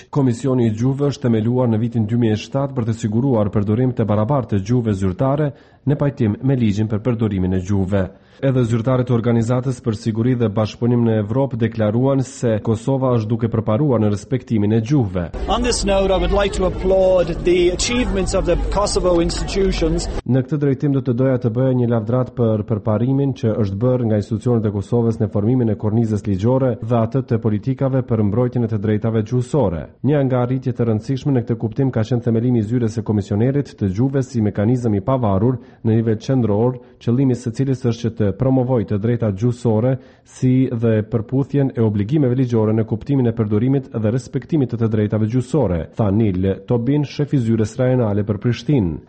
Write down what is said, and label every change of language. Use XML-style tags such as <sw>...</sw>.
<sq>Komisioni i gjuhëve është themeluar në vitin 2007 për të siguruar përdorim të barabartë të gjuhëve zyrtare në pajtim me ligjin për përdorimin e gjuhëve. Edhe zyrtarët e Organizatës për Siguri dhe Bashkëpunim në Evropë deklaruan se Kosova është duke përparuar në respektimin e gjuhëve.</sq> <en>On this note, I would like to applaud the achievements of the Kosovo institutions.</en> <sq>Në këtë drejtim do të doja të bëja një lavdrat për përparimin që është bërë nga institucionet e Kosovës në formimin e kornizës ligjore dhe atë të politikave për mbrojtjen e të drejtave gjuhësore. Një nga arritjet e rëndësishme në këtë kuptim ka qenë themelimi i zyres së komisionerit të gjuhëve si mekanizëm i pavarur në nivel qendror, qëllimi së cilës është të promovoj të drejta gjuhësore si dhe përputhjen e obligimeve ligjore në kuptimin e përdorimit dhe respektimit të drejtave gjuhësore, tha Nil Tobin, shef i zyres rajonale për Prishtinë.</sq>